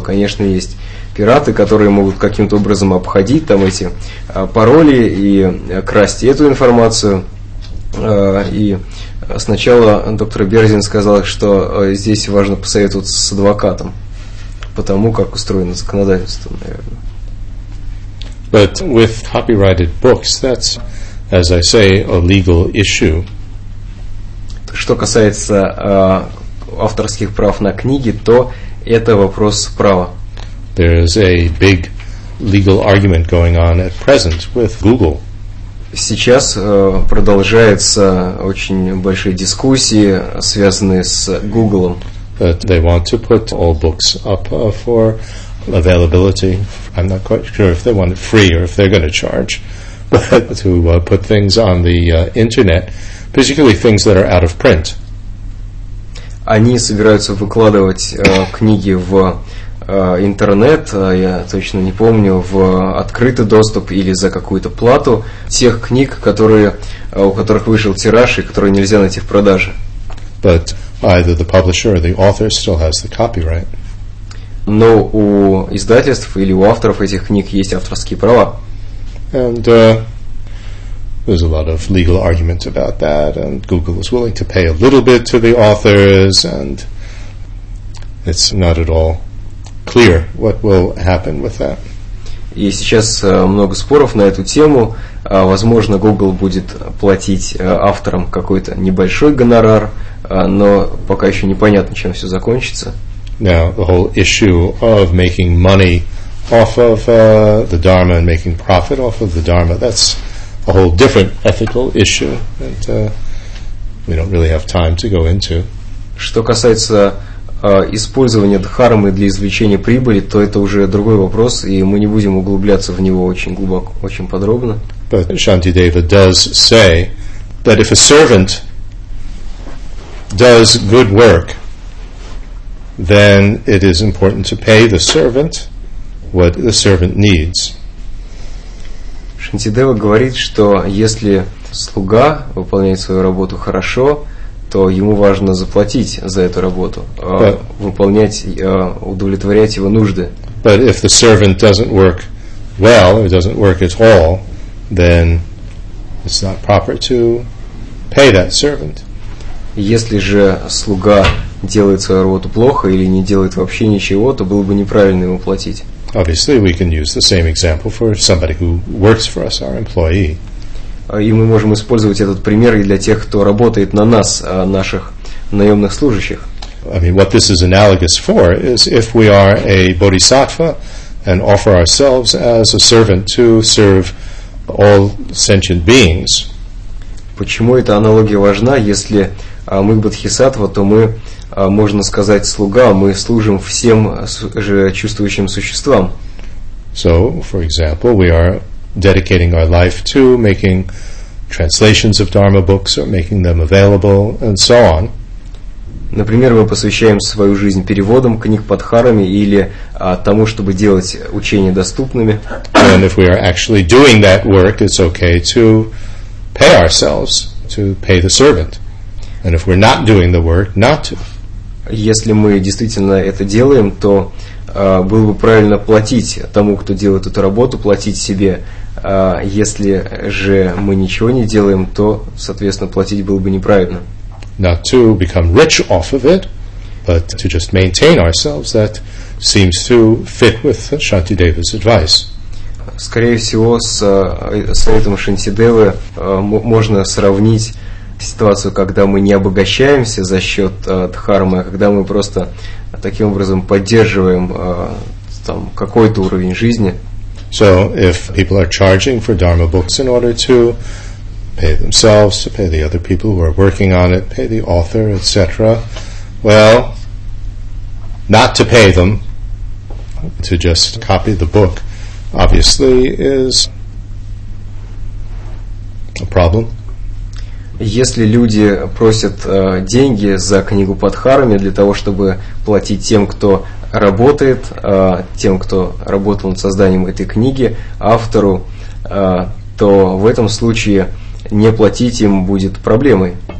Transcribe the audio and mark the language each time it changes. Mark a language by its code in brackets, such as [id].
[ru] Конечно, есть пираты, которые могут каким-то образом обходить там эти пароли и красть эту информацию. И сначала доктор Берзин сказал, что здесь важно посоветоваться с адвокатом, потому как устроено законодательство, наверное. [en] But with copyrighted books, that's, as I say, a legal issue. [ru] Что касается авторских прав на книги, то это вопрос права. [en] There is a big legal argument going on at present with Google. [ru] Сейчас продолжаются очень большие дискуссии, связанные с Google. [en] But they want to put all books up for availability. I'm not quite sure if they want it free or if they're going to charge. But to put things on the internet, particularly things that are out of print. [ru] Они собираются выкладывать книги в интернет, я точно не помню, в открытый доступ или за какую-то плату тех книг, которые, у которых вышел тираж и которые нельзя найти в продаже. [en] But either the publisher or the author still has the copyright. [ru] Но у издательств или у авторов этих книг есть авторские права. [en] And there's a lot of legal argument about that, and Google is willing to pay a little bit to the authors, and it's not at all clear what will happen with that. [ru] И сейчас много споров на эту тему. Возможно, Google будет платить авторам какой-то небольшой гонорар, но пока еще непонятно, чем все закончится. [en] Now, the whole issue of making money off of the Dharma and making profit off of the Dharma, that's a whole different ethical issue that we don't really have time to go into. [ru] Что касается использования дхармы для извлечения прибыли, то это уже другой вопрос, и мы не будем углубляться в него очень глубоко, очень подробно. [en] But Shantideva does say that if a servant does good work, then it is important to pay the servant what the servant needs. [ru] Шантидева говорит, что если слуга выполняет свою работу хорошо, то ему важно заплатить за эту работу, удовлетворять его нужды. [en] But if the servant doesn't work well, or doesn't work at all, then it's not proper to pay that servant. [ru] Если же слуга делает свою работу плохо или не делает вообще ничего, то было бы неправильно ему платить. [en] Obviously, we can use the same example for somebody who works for us, our employee. [ru] И мы можем использовать этот пример и для тех, кто работает на нас, наших наемных служащих. [en] I mean, what this is analogous for is if we are a bodhisattva and offer ourselves as a servant to serve all sentient beings. [ru] Почему эта аналогия важна, если мы бодхисаттва, то мы, можно сказать, слуга, мы служим всем же чувствующим существам. [en] So, for example, we are dedicating our life to making translations of Dharma books or making them available and so on. [ru] Например, мы посвящаем свою жизнь переводам книг по дхарме или тому, чтобы делать учения доступными. [en] And if we are actually doing that work, it's okay to pay ourselves, to pay the servant. And if we're not doing the work, not to. [ru] Если мы действительно это делаем, то было бы правильно платить тому, кто делает эту работу, платить себе. Если же мы ничего не делаем, то, соответственно, платить было бы неправильно. [en] Not to become rich off of it, but to just maintain ourselves, that seems to fit with Shantideva's advice. [ru] Скорее всего, с советом Шантидевы можно сравнить ситуацию, когда мы не обогащаемся за счет дхармы, а когда мы просто таким образом поддерживаем там какой-то уровень жизни. [en] So, if people are charging for Dharma books in order to pay themselves, to pay the other people who are working on it, pay the author, etc., well, not to pay them, to just copy the book, obviously is a problem. [ru] Если люди просят деньги за книгу по дхарме для того, чтобы платить тем, кто работает, тем, кто работал над созданием этой книги, автору, то в этом случае не платить им будет проблемой.